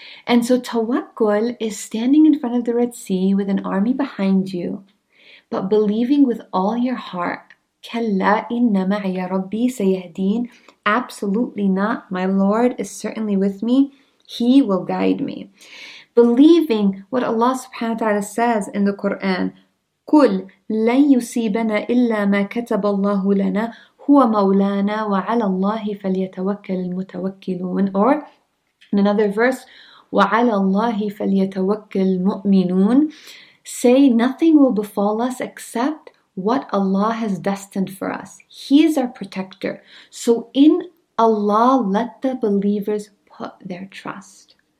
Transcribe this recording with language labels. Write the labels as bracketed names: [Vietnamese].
[English] And so tawakkul is standing in front of the Red Sea with an army behind you, but believing with all your heart, [Arabic] kalla inna ma'ya rabbi sayahdeen, [English] absolutely not, my Lord is certainly with me, He will guide me. Believing what Allah subhanahu wa ta'ala says in the Quran, [Arabic] قُلْ لَنْ يُسِيبَنَا إِلَّا مَا كَتَبَ اللَّهُ لَنَا هُوَ مَوْلَانَا وَعَلَى اللَّهِ فَلْيَتَوَكَّلِ الْمُتَوَكِّلُونَ. [English] Or in another verse, [Arabic] وَعَلَى اللَّهِ فَلْيَتَوَكَّلِ الْمُؤْمِنُونَ. [English] Say, nothing will befall us except what Allah has destined for us. He is our protector. So in Allah, let the believers put their trust.